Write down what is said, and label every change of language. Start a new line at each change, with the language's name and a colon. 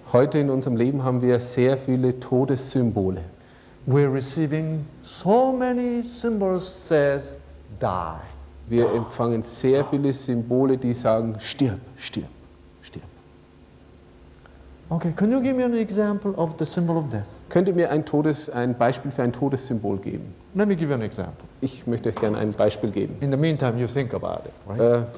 German: Heute in unserem Leben haben wir sehr viele Todessymbole.
English: We're receiving so many symbols says die.
German: Wir empfangen sehr viele Symbole, die sagen stirb, stirb, stirb.
English: Okay, can you give me an example of the symbol of death?
German: Könnt ihr mir ein Beispiel für ein Todessymbol geben?
English: Let me give you an example.
German: Ich möchte euch gerne ein Beispiel geben.
English: In the meantime you think about it, right?